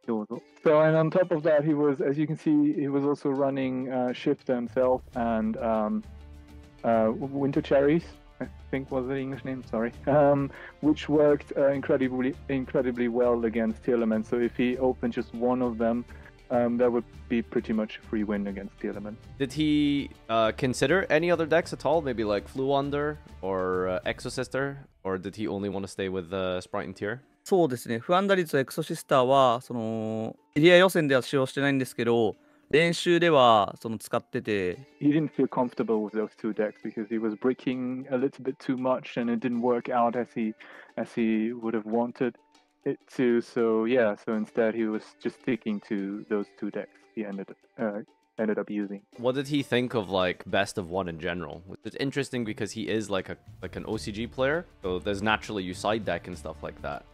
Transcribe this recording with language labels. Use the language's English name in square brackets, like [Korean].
[English] So and on top of that, he was, as you can see, he was also running Shifter himself and Winter Cherries, I think was the English name, sorry, which worked incredibly well against Tier Elements. So if he opened just one of them, that would be pretty much a free win against the element. Did he consider any other decks at all? Maybe like Fluwander or Exosister? Or did he only want to stay with Sprite and Tier? [Japanese] そうですね。フワンダリーとエクソシスターは、その、エリア予選では使用してないんですけど、練習ではその使ってて。 [English] He didn't feel comfortable with those two decks because he was breaking a little bit too much and it didn't work out as he would have wanted. It too, so yeah, so instead he was just sticking to those two decks he ended up using. What did he think of like best of one in general? It's interesting because he is like an OCG player, so there's naturally you side deck and stuff like that.